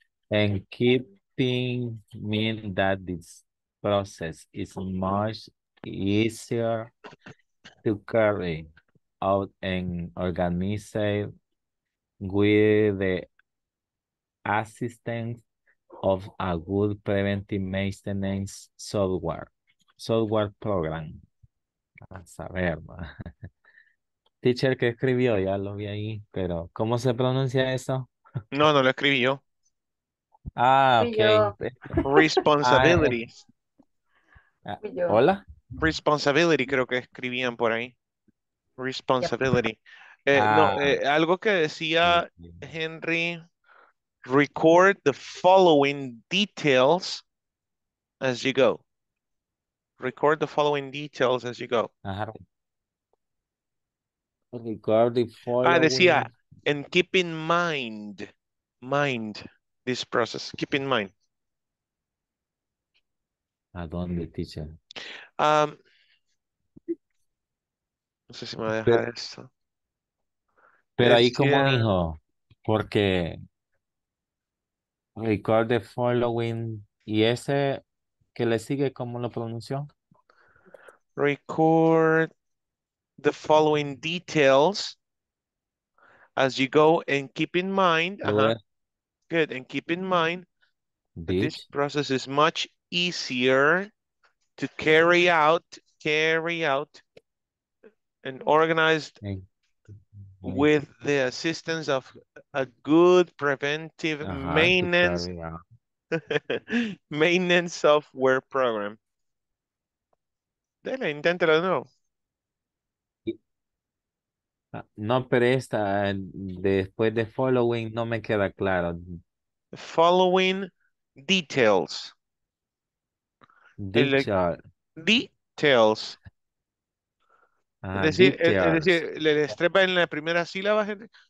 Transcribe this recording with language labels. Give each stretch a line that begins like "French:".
English: And keeping mean that this process is much easier to carry out and organize with the assistance of a good preventive maintenance software program.
Spanish: A saber, ¿no? Teacher, ¿qué escribió? Ya lo vi ahí, pero ¿cómo se pronuncia eso? No lo escribí yo. Ah, ok.
English: Responsibility.
Spanish: ¿Hola? Responsibility, creo que escribían por ahí. Responsibility. Algo que decía Henry...
English: Record the following details as you go. Record the following details as you go. Uh-huh. Record the following. Decía, and keep in mind this process. Keep in mind.
Spanish: ¿A dónde, teacher? No sé si me voy a dejar esto. Pero ahí como dijo, porque.
English: Record the following.
Spanish: ¿Y ese que le sigue, cómo lo pronunció?
English: Record the following details as you go and keep in mind. Uh-huh. Good. And keep in mind this process is much easier to carry out and organized with the assistance of a good preventive maintenance software program.
Spanish: Dele, inténtelo de nuevo. No, pero esta después de following no me queda claro.
English: Following details. Details.
Spanish: Es decir, le estrepa en la primera sílaba, gente.